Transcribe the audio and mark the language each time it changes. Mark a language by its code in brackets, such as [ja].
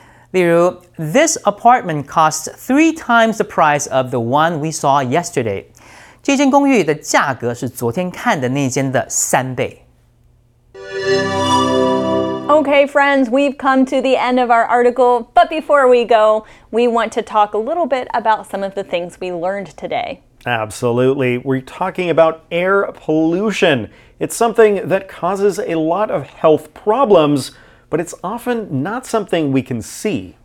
[zh] 例如 [en] this apartment costs three times the price of the one we saw yesterday. [zh] 这间公寓的价格是昨天看的那间的三倍。 [en] Okay, friends, we've come to the end of our article, but before we go, we want to talk a little bit about some of the things we learned today. Absolutely. We're talking about air pollution. It's something that causes a lot of health problems, but it's often not something we can see.